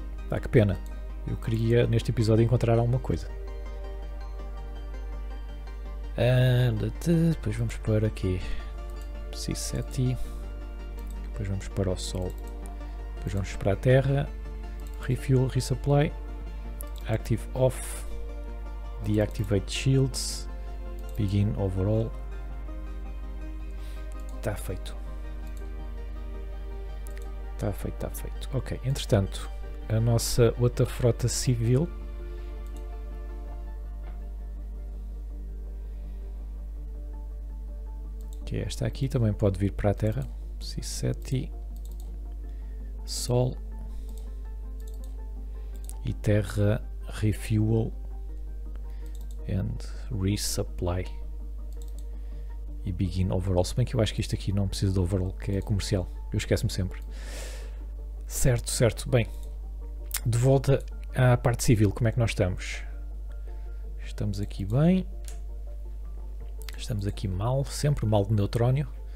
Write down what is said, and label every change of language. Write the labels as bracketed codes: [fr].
[pt] Ah, que pena, eu queria neste episódio encontrar alguma coisa. Anda-te, depois vamos para aqui. Psi-7. Depois vamos para o Sol. Depois vamos para a Terra. [en] Refuel, resupply. Active off, deactivate shields, begin overall. [pt] Está feito. Está feito, está feito. Ok, entretanto, a nossa outra frota civil. Que é esta aqui, também pode vir para a Terra. Psi-7, Sol e Terra. [en] Refuel and resupply e begin overall. [pt] Se bem que eu acho que isto aqui não precisa de overall, que é comercial. Eu esqueço-me sempre. Certo, certo. Bem, de volta à parte civil, como é que nós estamos? Estamos aqui bem. Estamos aqui mal, sempre mal de neutrónio.